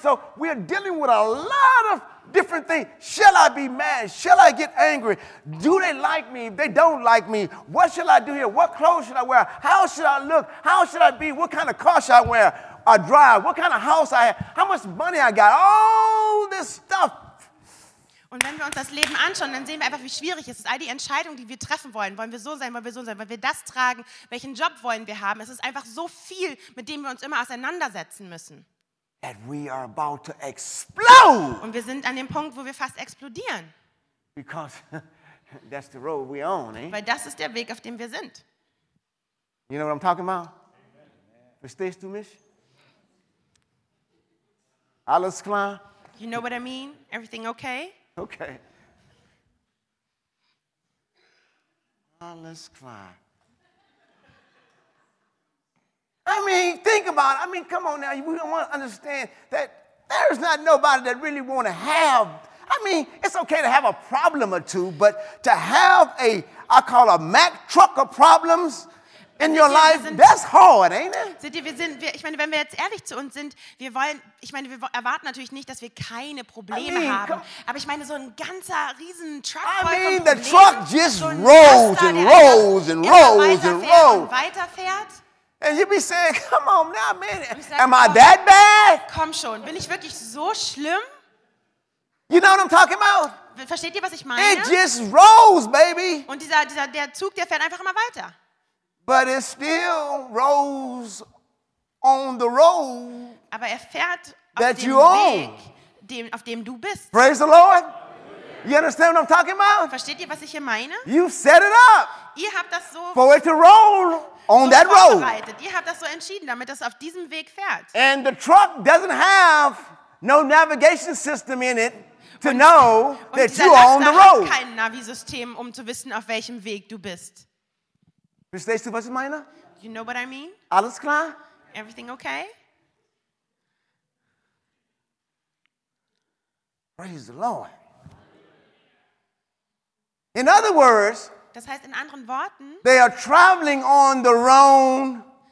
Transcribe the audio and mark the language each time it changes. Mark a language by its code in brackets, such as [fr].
[en] So we are dealing with a lot of different things. Shall I be mad? Shall I get angry? Do they like me? They don't like me. What shall I do here? What clothes should I wear? How should I look? How should I be? What kind of car should I wear? I drive, what kind of house I have, how much money I got, all this stuff. [de] Und wenn wir uns das Leben anschauen, dann sehen wir einfach, wie schwierig es ist. All die Entscheidungen, die wir treffen wollen. Wollen wir so sein, wollen wir so sein, wollen wir das tragen, welchen Job wollen wir haben. Es ist einfach so viel, mit dem wir uns immer auseinandersetzen müssen. [en] And we are about to explode. [de] Und wir sind an dem Punkt, wo wir fast explodieren. [en] Because that's the road we're on, eh? [de] Weil das ist der Weg, auf dem wir sind. [en] You know what I'm talking about? [de] Verstehst du mich? Alles klar? [en] You know what I mean? Everything okay? Okay. [de] Alles klar. [en] I mean, think about it. I mean, come on now. We don't want to understand that there's not nobody that really want to have. I mean, it's okay to have a problem or two, but to have a, I call a Mack truck of problems in your life, that's hard, ain't it? [de] Seht ihr, wir sind, ich meine, wenn wir jetzt ehrlich zu uns sind, wir wollen, ich meine, wir erwarten natürlich nicht, dass wir keine Probleme haben. Aber ich meine, so ein ganzer, riesen Truck voll von Problemen. [en] I mean, the truck just rolls and rolls and rolls and rolls. [de] Weiterfährt. [en] And you be saying, come on now, man, am I that bad? [de] Komm schon, bin ich wirklich so schlimm? [en] You know what I'm talking about? [de] Versteht ihr, was ich meine? [en] It just rolls, baby. [de] Und dieser der Zug, der fährt einfach immer weiter. [en] But it still rolls on the road. [de] Aber er fährt auf dem Weg, auf dem du bist. [en] Praise the Lord. You understand what I'm talking about? [de] Versteht ihr, was ich hier meine? [en] You set it up. [de] Ihr habt das so [en] for it to roll on [de] so [en] that road. [de] Ihr habt das so entschieden, damit das auf diesem Weg fährt. [en] And the truck doesn't have no navigation system in it to know that you are on the road. [de] Hat kein Navi-System, um zu wissen, auf welchem Weg du bist. Verstehst du, was ich meine? [en] You know what I mean? [de] Alles klar? [en] Everything okay? Praise the Lord. In other words, [de] das heißt, in anderen Worten, [en] they are traveling on the wrong.